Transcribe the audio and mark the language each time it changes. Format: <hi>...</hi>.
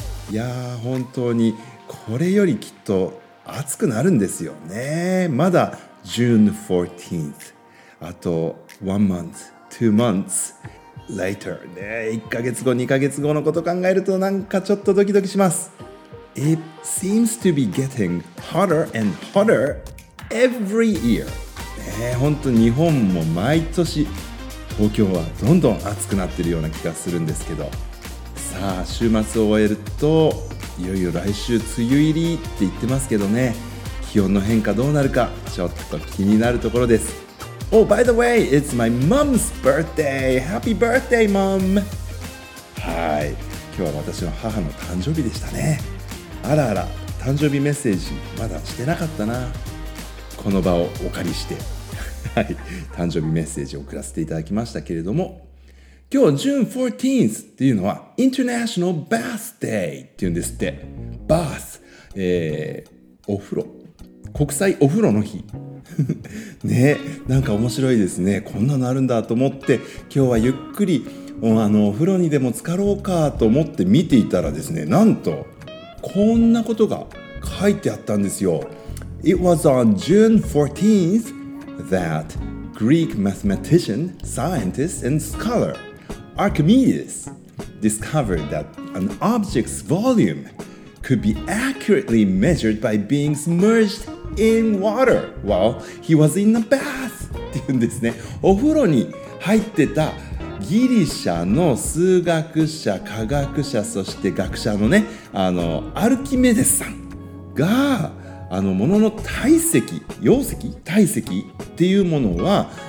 <ja>いやー、本当にこれよりきっと暑くなるんですよね。まだ June 14th。あと</ja> <en>1 month, 2 months later</en> <ja>ね。 1ヶ月後、2ヶ月後のこと考えるとなんかちょっとドキドキします。</ja> <en>It seems to be getting hotter and hotter every year。</en> <ja>ね、本当日本も毎年東京はどんどん暑くなってるような気がするんですけど。さあ、週末を終えるといよいよ来週梅雨入りって言ってますけどね、気温の変化どうなるかちょっと気になるところです。</ja> <en>Oh, by the way, it's my mom's birthday. Happy birthday, mom.</en> <ja>はい、今日は私の母の誕生日でしたね。あらあら、誕生日メッセージまだしてなかったな。この場をお借りしてはい、誕生日メッセージを送らせていただきましたけれども、今日 June 14th っていうのは International Bath Day っていうんですって。 Bath、お風呂、国際お風呂の日ね、なんか面白いですね。こんなのあるんだと思って今日はゆっくり お風呂にでも浸かろうかと思って見ていたらですね、なんとこんなことが書いてあったんですよ。</ja> <en>It was on June 14th thatGreek mathematician, scientist, and scholar Archimedes discovered that an object's volume could be accurately measured by being submerged in water while he was in the bath.</en> <ja>って言うんですね。お風呂に入ってたギリシャの数学者、科学者、そして学者のね、アルキメデスさんが物の体積、容積、体積っていうものは</ja>